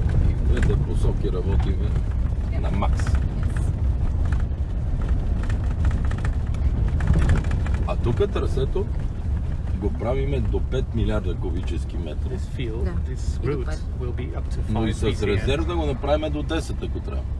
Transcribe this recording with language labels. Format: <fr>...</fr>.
<bg>И в двете посоки работим на макс. А тук трасето го правиме до 5 милиарда кубически метра.</bg> <en>This field, this route will be up to 5 BCM.</en> <bg>Но и с резерв да го направим до 10, ако трябва.</bg>